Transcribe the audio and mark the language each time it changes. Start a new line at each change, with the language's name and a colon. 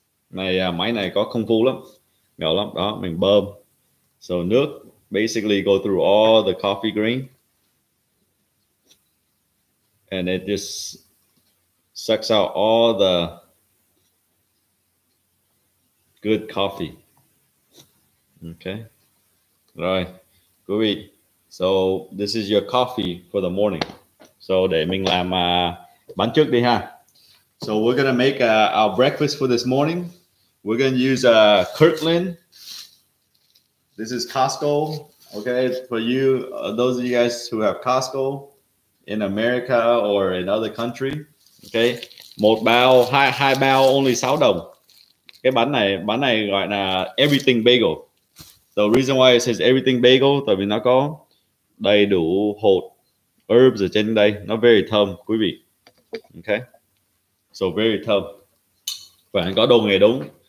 Vietnamese: Này, máy này có công phu lắm. Ngầu lắm. Đó, mình bơm.
English: So nước basically go through all the coffee grain. And it just sucks out all the good coffee. Okay.
Vietnamese: Rồi. Quý vị.
English: So this is your coffee for the morning.
Vietnamese: So để mình làm bánh trước đi ha.
English: So we're gonna make our breakfast for this morning. We're gonna use Kirkland. This is Costco. Okay, for you, those of you guys who have Costco in America or in other country.
Vietnamese: Okay. Một bao, hai bao
English: only
Vietnamese: 6 đồng. Cái bánh này gọi là everything bagel.
English: The reason why it says everything bagel,
Vietnamese: tại vì nó có đầy đủ hột, herbs ở trên đây. Nó very thơm, quý vị. Okay. So very thơm. Và có đồ nghề đúng.